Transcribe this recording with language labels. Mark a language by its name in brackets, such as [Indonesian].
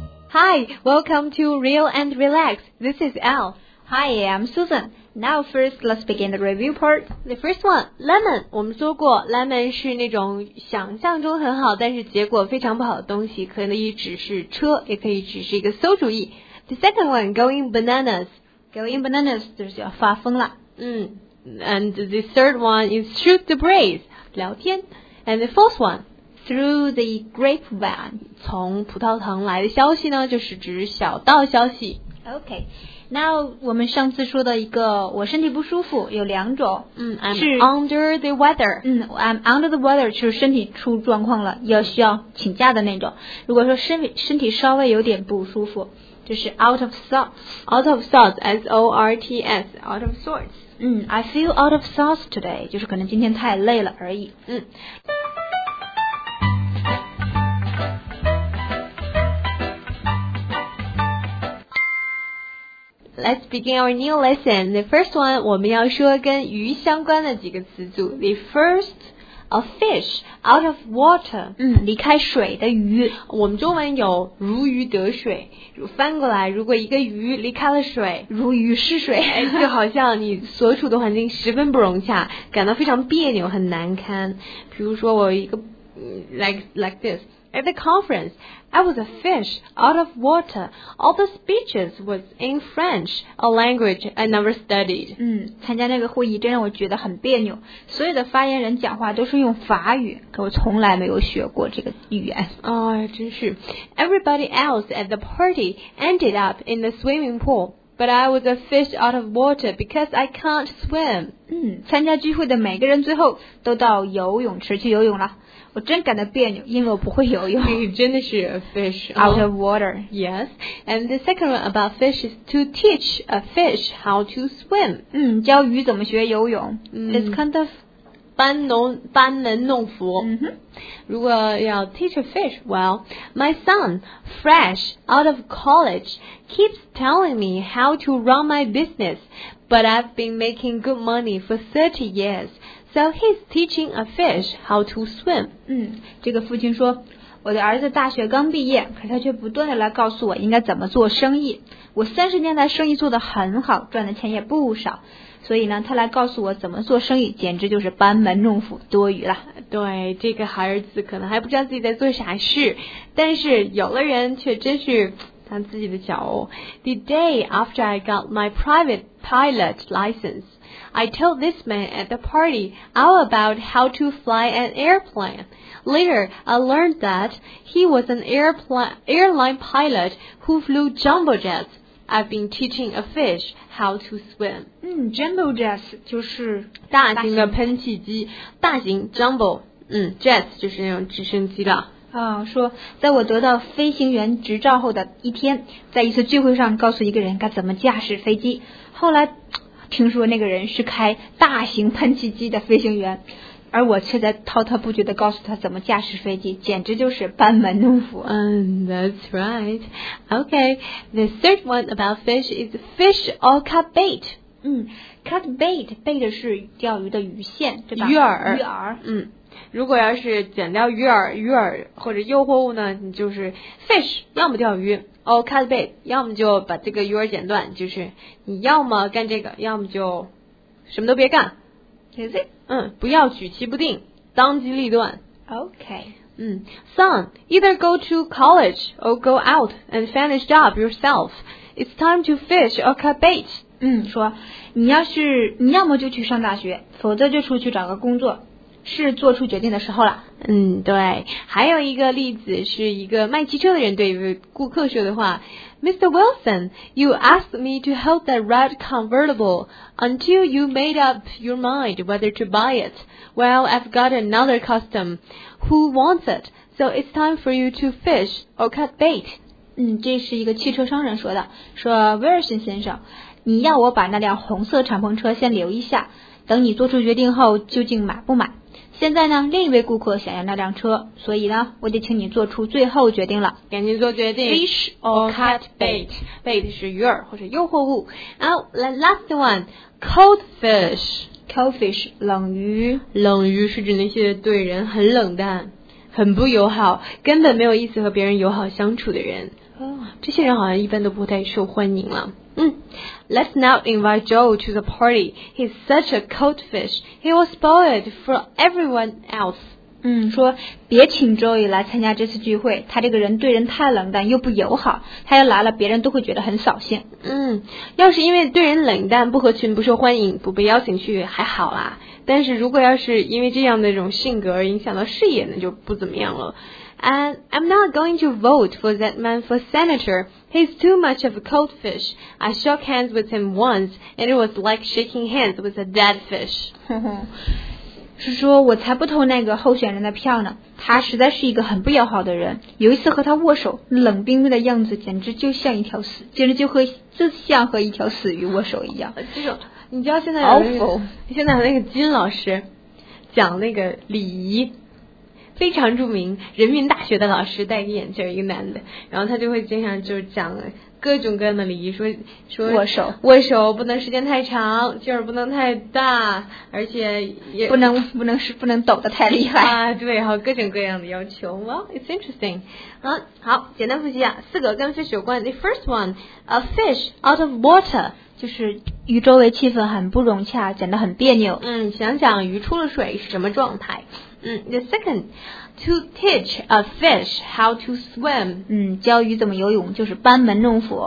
[English] Hi, welcome to Real and Relax. This is Elle. Hi, I'm Susan. Now first, let's begin the review part. The first one, lemon. [Chinese] 我们说过 lemon 是那种想象中很好但是结果非常不好的东西，可以只是车，也可以只是一个馊主意。 [English] The second one, going bananas. [Chinese] Going bananas 就是要发疯了。 [English] And the third one is shoot the breeze. [Chinese] 聊天。 [English] And the fourth one, Through the grapevine. [Chinese] 从葡萄藤来的消息呢，就是指小道消息。 [English] Okay, now [Chinese] 我们上次说的一个，我身体不舒服，有两种。 [English] I'm under the weather. I'm under the weather, [Chinese] 就是身体出状况了，要需要请假的那种。如果说身体稍微有点不舒服，就是 out of sorts. [English] Out of sorts, S-O-R-T-S, out of sorts. I feel out of sorts today, [Chinese] 就是可能今天太累了而已。 [English] Let's begin our new lesson. The first one, [Chinese] 我们要说跟鱼相关的几个词组。 [English] The first, a fish out of water. [Chinese] 离开水的鱼。我们中文有如鱼得水。翻过来，如果一个鱼离开了水，如鱼失水，就好像你所处的环境十分不融洽，感到非常别扭，很难堪。比如说我有一个 [English] like this. At the conference, I was a fish out of water. All the speeches was in French, a language I never studied. [Chinese] 参加那个会议真让我觉得很别扭。所有的发言人讲话都是用法语，可我从来没有学过这个语言。真是。 [English] Everybody else at the party ended up in the swimming pool. But I was a fish out of water because I can't swim. [Chinese] 参加聚会的每个人最后都到游泳池去游泳了。我真感到别扭，因为我不会游泳。你真的是 [English] a fish out of water. Yes. And the second one about fish is to teach a fish how to swim. [Chinese] 教鱼怎么学游泳。 [English] It's kind of [Chinese] 班门弄斧。如果要 [English] teach a fish, well, my son, fresh out of college, keeps telling me how to run my business, but I've been making good money for 30 years, so he's teaching a fish how to swim. [Chinese] 这个父亲说，我的儿子大学刚毕业，可他却不断地来告诉我应该怎么做生意。我三十年来生意做得很好，赚的钱也不少。所以呢，他来告诉我怎么做生意，简直就是班门弄斧，多余了。对，这个孩子可能还不知道自己在做啥事，但是有的人却真是他自己的骄傲。 [English] The day after I got my private pilot license, I told this man at the party all about how to fly an airplane. Later, I learned that he was an airline pilot who flew jumbo jets. I've been teaching a fish how to swim. [Chinese] Jumbo jets 就是大型的喷气机，大型 jumbo, jets 就是那种直升机了。说在我得到飞行员执照后的一天，在一次聚会上告诉一个人该怎么驾驶飞机。后来听说那个人是开大型喷气机的飞行员，而我却在滔滔不绝地告诉他怎么驾驶飞机，简直就是班门弄斧。 [English] That's right. Okay, the third one about fish is fish or cut bait. [Chinese] Cut bait, bait 是钓鱼的鱼线，对吧？鱼饵。如果要是剪掉鱼饵或者诱惑物呢，你就是 fish, 要么钓鱼 [English] or cut bait, [Chinese] 要么就把这个鱼饵剪断，就是你要么干这个，要么就什么都别干。 [English] Is it? [Chinese] 不要举棋不定，当机立断。 [English] Okay. Son, either go to college or go out and find a job yourself. It's time to fish or cut bait. [Chinese] 说你要么就去上大学，否则就出去找个工作，是做出决定的时候了。对。还有一个例子是一个卖汽车的人对顾客说的话。 [English] Mr. Wilson, you asked me to hold that red convertible until you made up your mind whether to buy it. Well, I've got another custom. Who wants it? So it's time for you to fish or cut bait. [Chinese] 这是一个汽车商人说的，说 Wilson 先生，你要我把那辆红色敞篷车先留一下，等你做出决定后究竟买不买。现在呢，另一位顾客想要那辆车，所以呢，我得请你做出最后决定了。赶紧做决定。 [English] Fish or cut bait. Bait [Chinese] 是鱼饵或者诱惑物。 [English] Now, the last one, cold fish. Cold fish, [Chinese] 冷鱼。冷鱼是指那些对人很冷淡，很不友好，根本没有意思和别人友好相处的人。这些人好像一般都不太受欢迎了。 [English] Let's now invite Joe to the party. He's such a cold fish. He was spoiled for everyone else. [Chinese] 说别请 Joe 来参加这次聚会，他这个人对人太冷淡又不友好，他要来了别人都会觉得很扫兴。要是因为对人冷淡不合群不受欢迎不被邀请去还好啦，但是如果要是因为这样的一种性格而影响到事业，那就不怎么样了。 [English] And I'm not going to vote for that man for senator. He's too much of a cold fish. I shook hands with him once, and it was like shaking hands with a dead fish. [Chinese] 是说我才不投那个候选人的票呢，他实在是一个很不友好的人。有一次和他握手，冷冰冰的样子简直就像一条死，简直就像和一条死鱼握手一样。这种，你知道现在有那个， [English] Awful. [Chinese] 现在有那个金老师讲那个礼仪。非常著名人民大学的老师，戴个眼镜，一个男的，然后他就会经常就是讲各种各样的礼仪，说握手不能时间太长，劲儿不能太大，而且也不能抖得太厉害啊，对，然后各种各样的要求。 [English] Well, it's interesting. [Chinese] 好，简单复习啊，四个跟 fish 有关。 [English] The first one, a fish out of water, [Chinese] 就是鱼周围气氛很不融洽，显得很别扭。想想鱼出了水是什么状态。 [English] The second, to teach a fish how to swim. [Chinese] 教鱼怎么游泳就是班门弄斧。